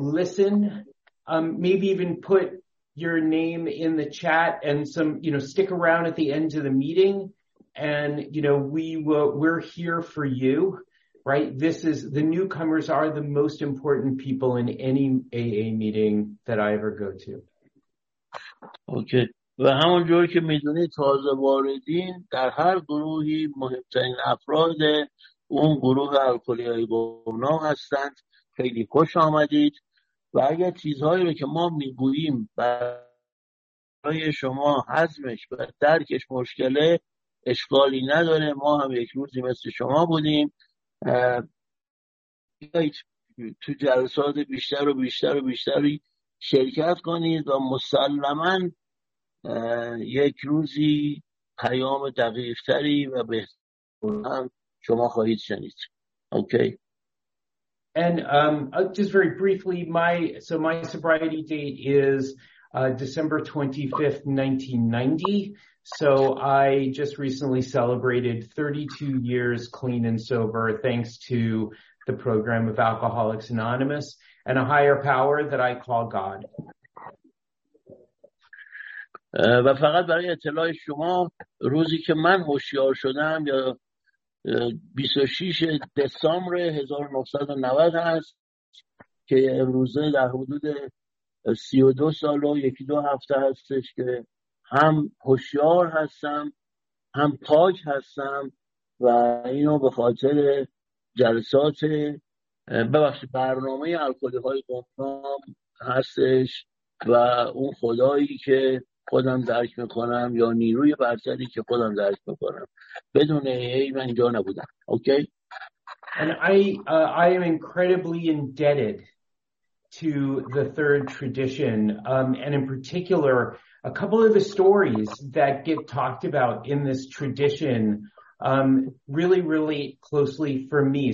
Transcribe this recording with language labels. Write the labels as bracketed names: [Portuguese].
[English] Listen, maybe even put your name in the chat and some, you know, stick around at the end of the meeting. And, you know, we're here for you, right? This is the newcomers are the most important people in any AA meeting that I ever go to. Okay. [Persian] و همون جور که میدونید تازه واردین در هر گروهی مهمترین افراد اون گروه الکلی‌های گمنام هستند. خیلی خوش آمدید و اگر چیزهایی رو که ما میگوییم برای شما هضمش و درکش مشکله، اشکالی نداره. ما هم یک روزی مثل شما بودیم. بیایید تو جلسات بیشتر و بیشتر و بیشتری شرکت کنید و مسلماً یک روزی پیام دقیق‌تری و بهتران شما خواهید شنید. [English] Okay. And just very briefly, my sobriety date is December 25th, 1990. So I just recently celebrated 32 years clean and sober thanks to the program of Alcoholics Anonymous and a higher power that I call God. [Persian] و فقط برای اطلاع شما، روزی که من هوشیار شدم یا 26 دسامبر 1990 است که امروزه در حدود 32 سال و یکی دو هفته هستش که هم هوشیار هستم هم پاک هستم، و اینو به خاطر جلسات ببخشید برنامه الکلی های گمنام هستش و اون خدایی که خودم درک میکنم یا نیروی برتری که خودم درک میکنم بدون ای من اینجا نبودم. اوکی. [English] And I am incredibly indebted to the third tradition, and in particular a couple of the stories that get talked about in this tradition really relate closely for me.